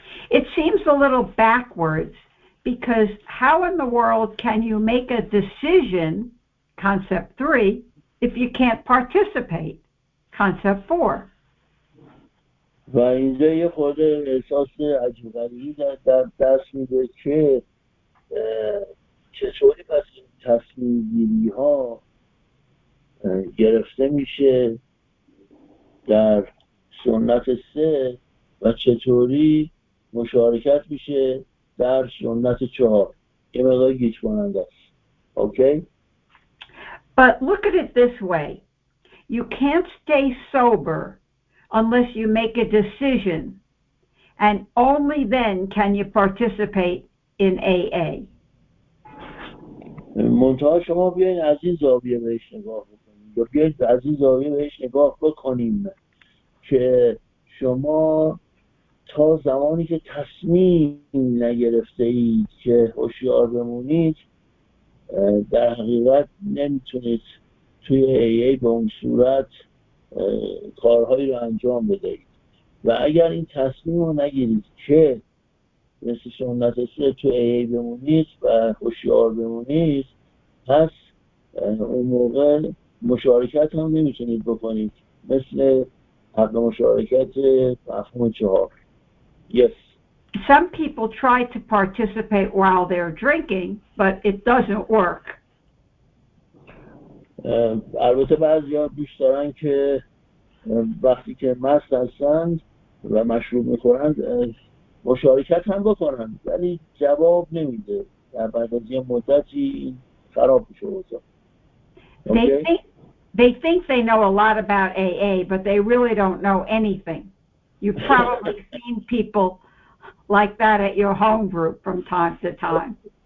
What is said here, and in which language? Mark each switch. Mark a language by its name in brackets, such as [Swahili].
[English] It seems a little backwards because how in the world can you make a decision, concept three, if you can't participate, concept four? [Persian] و اینجا یه خود احساس عجیب غریبی در دست میده که چطوری پس این تصمیم گیری ها گرفته میشه در سنت سه و چطوری مشارکت میشه در سنت چهار. یه مقدار گیج کننده است. اوکی؟ [English] But look at it this way. You can't stay sober unless you make a decision and only then can you participate in AA. [Persian] منتها شما بیاین از این زاویه بهش نگاه بکنیم. بیاین از این زاویه بهش نگاه بکنیم که شما تا زمانی که تصمیم نگرفته اید که هوشیار بمونید در حقیقت نمیتونید توی AA به اون صورت کارهایی رو انجام بدهید و اگر این تصمیم رو نگیرید که مثل سنت سه تو AA بمونید و هوشیار بمونید پس اون موقع مشارکت هم نمیتونید بکنید مثل حق مشارکت مفهوم چهار. Yes. [English] Some people try to participate while they're drinking, but it doesn't work. [Persian] البته بعضیا دوست دارن که وقتی که مست هستن و مشروب میخورن مشارکت هم بکنن ولی جواب نمیده. در بعد از یه مدتی این خراب میشه. Okay? [English] They think they know a lot about AA, but they really don't know anything. You've probably seen people like that at your home group from time to time.